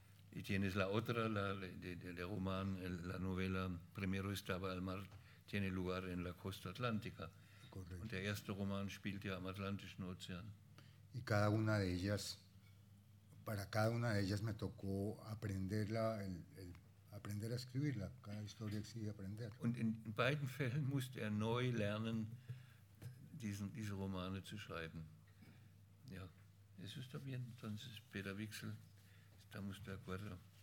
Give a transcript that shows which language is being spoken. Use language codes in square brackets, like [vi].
[es] Y tienes la otra, el román, la novela Primero estaba al mar, tiene lugar en la costa atlántica. Correcto. [de] Und der erste Roman spielt ja am Atlantischen Ozean. [es] Y cada una de ellas, para cada una de ellas me tocó aprenderla, aprender a escribirla. Cada historia exige aprender. [de] Und in beiden Fällen musste er neu lernen, diese Romane zu schreiben. [es] Ja, eso está bien. Entonces, Peter Dixel, estamos de acuerdo.